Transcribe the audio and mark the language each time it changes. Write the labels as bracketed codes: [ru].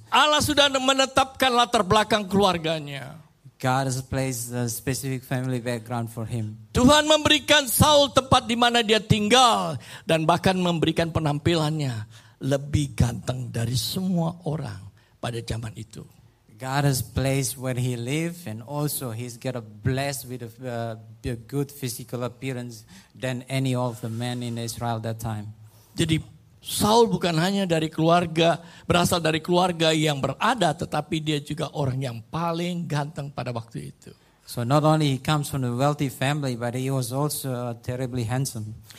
[id] Allah sudah menetapkan latar belakang keluarganya. [en] God has placed a specific family background for him. [id] Tuhan memberikan Saul tempat di mana dia tinggal dan bahkan memberikan penampilannya lebih ganteng dari semua orang pada zaman itu. [en] God has placed where he lives and also he's got a blessed with a good physical appearance than any of the men in Israel that time. [id] Jadi Saul bukan hanya dari keluarga, berasal dari keluarga yang berada, tetapi dia juga orang yang paling ganteng pada waktu itu. [en] So not only he comes from a wealthy family, but he was also terribly handsome.